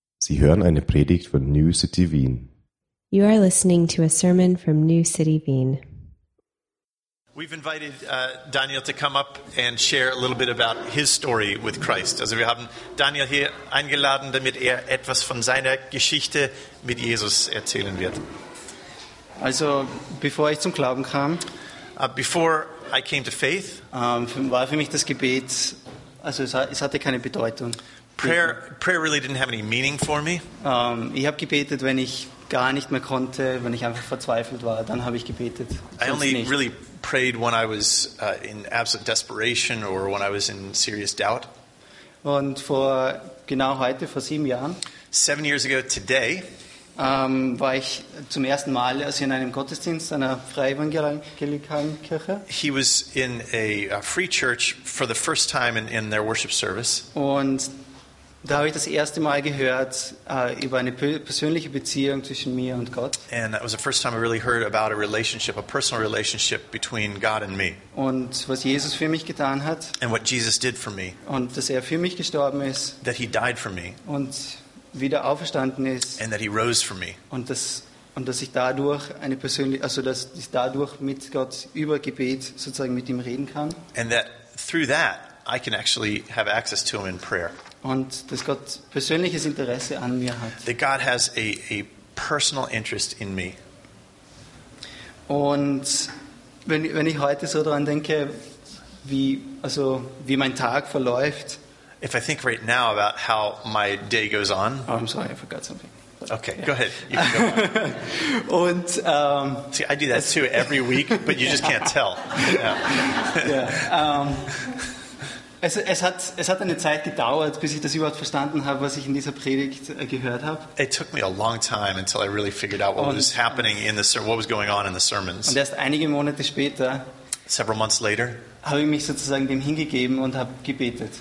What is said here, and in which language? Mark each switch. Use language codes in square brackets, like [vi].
[de] Sie hören eine Predigt von New City Wien. [en] You are listening to a sermon from New City Wien. We've invited Daniel to come up and share a little bit about his story with Christ. [de] Also wir haben Daniel hier eingeladen, damit etwas von seiner Geschichte mit Jesus erzählen wird. Also bevor ich zum Glauben kam, [en] before I came to faith, [de] war für mich das Gebet, also es hatte keine Bedeutung. [en] Prayer really didn't have any meaning for me. [de] Ich habe gebetet, wenn ich gar nicht mehr konnte, wenn ich einfach verzweifelt war, dann habe ich gebetet. [en] I only really prayed when I was in absolute desperation or when I was in serious doubt. [de] Und vor genau heute, vor 7 Jahren, [en] 7 years ago today, [de] war ich zum ersten Mal also in einem Gottesdienst einer freievangelikalen Kirche. [en] He was in a free church for the first time in their worship service. [de] Und da habe ich das erste Mal gehört über eine persönliche Beziehung zwischen mir und Gott. [en] And that was the first time I really heard about a relationship, a personal relationship between God and me. [de] Und was Jesus für mich getan hat. [en] And what Jesus did for me. [de] Und dass er für mich gestorben ist. [en] That he died for me. [de] Und wieder auferstanden ist. [en] And that he rose for me. [de] Und dass ich dadurch eine persönliche, also dass ich dadurch mit Gott über Gebet sozusagen mit ihm reden kann. [en] And that through that I can actually have access to him in prayer. [de] Und dass Gott persönliches Interesse an mir hat. [en] That God has a personal interest in me. [de] Und wenn ich heute so daran denke, wie mein Tag verläuft. [en] If I think right now about how my day goes on. Oh, I'm sorry, I forgot something. Okay, yeah. Go ahead. You can go on. Und See, I do that too every week, but you just can't tell. Yeah. [de] Es hat eine Zeit gedauert, bis ich das überhaupt verstanden habe, was ich in dieser Predigt gehört habe. [en] It took me a long time until I really figured out what was happening in the what was going on in the sermons. [de] Und erst einige Monate später, [en] several months later, [de] habe ich mich sozusagen dem hingegeben und habe gebetet.